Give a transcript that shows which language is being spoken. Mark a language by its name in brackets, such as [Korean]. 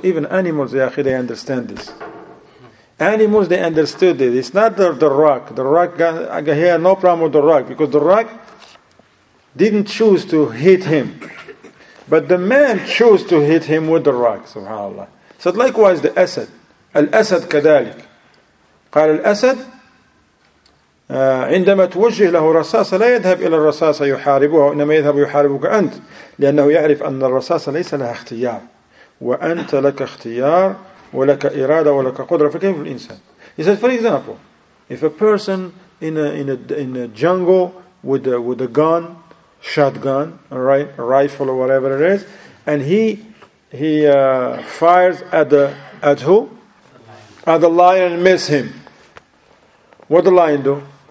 [English] Even animals, they understand this. Animals, they understood it. It's not the rock. The rock, I had no problem with the rock because the rock didn't choose to hit him. But the man chose to hit him with the rock, subhanAllah. So likewise, the Asad. [Arabic] Al-Asad kadalik. قال الأسد عندما توجه له رصاصة لا يذهب إلى الرصاصة يحاربها إنما يذهب يحاربك أنت لأنه يعرف أن الرصاصة ليس لها اختيار وأنت لك اختيار ولك إرادة ولك قدرة فكيف الإنسان. [English] He said, for example, if a person in a jungle with a gun, shotgun, right, rifle or whatever it is, and he fires at who? At the lion and miss him. What the lion do?